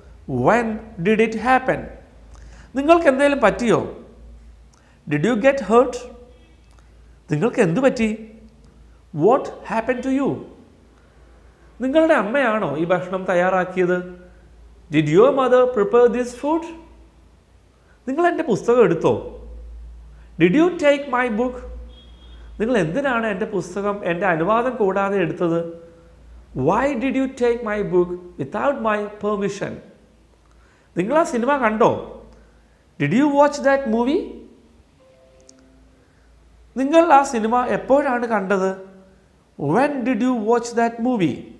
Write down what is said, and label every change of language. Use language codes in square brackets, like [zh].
[en] When did it happen? [ml] നിങ്ങൾക്ക് എന്തെങ്കിലും പറ്റിയോ? [en] Did you get hurt? [ml] നിങ്ങൾക്ക് എന്തു പറ്റി? [en] What happen to you? [ml] നിങ്ങളുടെ അമ്മയാണോ ഈ ഭക്ഷണം തയ്യാറാക്കിയത്? [en] Did your mother prepare this food? [ml] നിങ്ങൾ എൻ്റെ പുസ്തകം എടുത്തോ? [en] Did you take my book? [ml] നിങ്ങൾ എന്തിനാണ് എൻ്റെ പുസ്തകം എൻ്റെ അനുവാദം കൂടാതെ എടുത്തത്? [en] Why did you take my book without my permission? [ml] നിങ്ങൾ ആ സിനിമ കണ്ടോ? [en] Did you watch that movie? [ml] നിങ്ങൾ ആ സിനിമ എപ്പോഴാണ് കണ്ടത്? [en] When did you watch that movie?